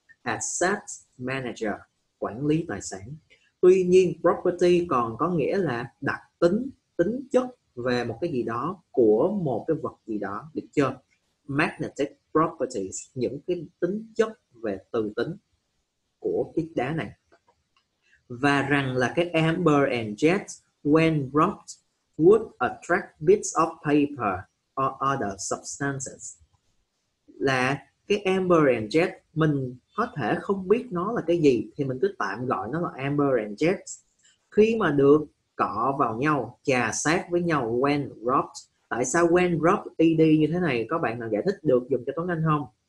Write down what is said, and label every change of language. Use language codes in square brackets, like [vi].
[vi] Asset manager, quản lý tài sản. Tuy nhiên, property còn có nghĩa là đặc tính, tính chất về một cái gì đó của một cái vật gì đó, được chưa? Magnetic properties, những cái tính chất về từ tính của cái đá này. Và rằng là cái [en] amber and jet, when rubbed, would attract bits of paper or other substances. [vi] Là cái amber and jet, mình có thể không biết nó là cái gì thì mình cứ tạm gọi nó là amber and jet. Khi mà được cọ vào nhau, chà xát với nhau, [en] when rubbed. [vi] Tại sao [en] when rubbed [vi] ED như thế này, có bạn nào giải thích được dùng cho Tuấn Anh không?